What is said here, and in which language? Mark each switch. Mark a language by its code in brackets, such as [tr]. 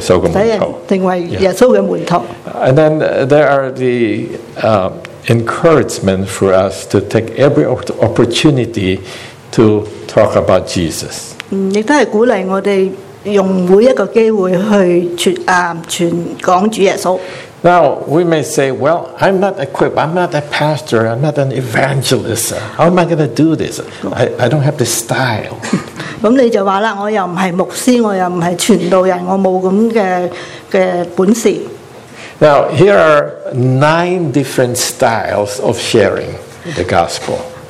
[zh] 去使人成为耶稣的门徒。 [en] And then there are the encouragement for us to take every opportunity to talk about Jesus. [zh] 亦都是鼓励我们用每一个机会去传讲主耶稣。 [en] Now, we may say, well, I'm not equipped, I'm not a pastor, I'm not an evangelist. How am I going to do this? I don't have the style. [zh] 那你就说了,我又不是牧师,我又不是传道人,我没有这样的本事。 [en] Now, here are 9 different styles of sharing the gospel.